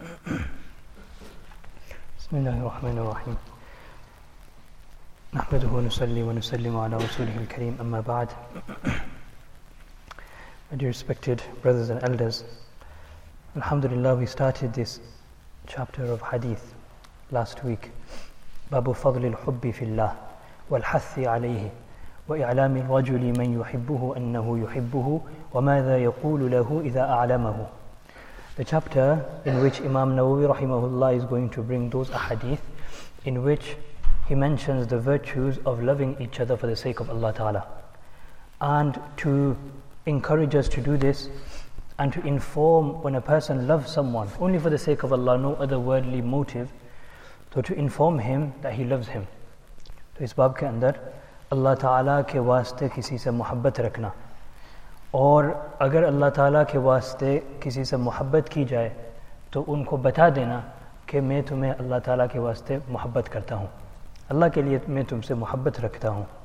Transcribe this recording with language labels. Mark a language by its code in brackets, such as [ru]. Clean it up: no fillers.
[ar] بسم الله الرحمن الرحيم، نحمده ونصلي ونسلم على رسوله الكريم، أما بعد. [en] My dear respected brothers and elders, Alhamdulillah, we started this chapter of hadith last week. [ar] بَابُ فَضْلِ الْحُبِّ فِي اللَّهِ وَالْحَثِّ عَلَيْهِ وَإِعْلَامِ الْرَجُلِ مَنْ يُحِبُّهُ أَنَّهُ يُحِبُّهُ وَمَاذَا يَقُولُ لَهُ إِذَا أَعْلَمَهُ. [en] The chapter in which Imam Nawawi rahimahullah is going to bring those ahadith in which he mentions the virtues of loving each other for the sake of Allah Ta'ala, and to encourage us to do this and to inform when a person loves someone only for the sake of Allah, no other worldly motive, so to inform him that he loves him. [ur] To is bab ke andar Allah Ta'ala ke waaste kisi se muhabbat rakhna, اور اگر اللہ تعالیٰ کے واسطے کسی سے محبت کی جائے تو ان کو بتا دینا کہ میں تمہیں اللہ تعالیٰ کے واسطے محبت کرتا ہوں، اللہ کے لیے میں تم سے محبت رکھتا ہوں.